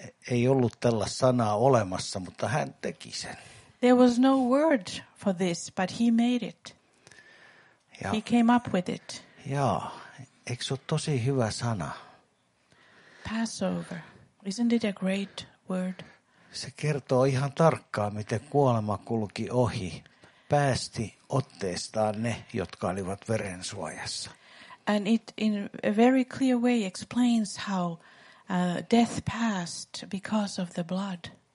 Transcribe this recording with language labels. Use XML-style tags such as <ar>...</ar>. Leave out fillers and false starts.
<fi>Ei ollut tällaista sanaa olemassa, mutta hän teki sen.</fi> <en>There was no word for this, but he made it.</en> <fi>Ja,</fi> <en>he came up with it.</en> <fi>Joo, eikö se ole tosi hyvä sana?</fi> <en>Passover. Isn't it a great word?</en> <fi>Se kertoo ihan tarkkaan, miten kuolema kulki ohi, päästi otteestaan ne, jotka olivat verensuojassa.</fi> <en>And it in a very clear way explains how death passed because of the blood.</en>